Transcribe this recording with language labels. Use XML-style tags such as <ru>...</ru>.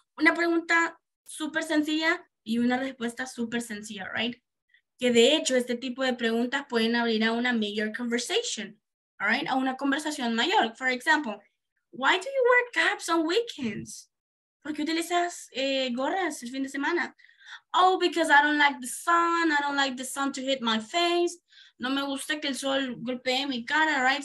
<es>Una pregunta súper sencilla y una respuesta súper sencilla,</es> <en>right?</en> <es>Que de hecho, este tipo de preguntas pueden abrir a una</es> <en>major conversation, all right?</en> <es>A una conversación mayor.</es> <en>For example, why do you wear caps on weekends?</en> <es>¿Por qué utilizas gorras el fin de semana?</es> <en>Oh, because I don't like the sun. I don't like the sun to hit my face.</en> <es>No me gusta que el sol golpee mi cara,</es> <en>right?</en>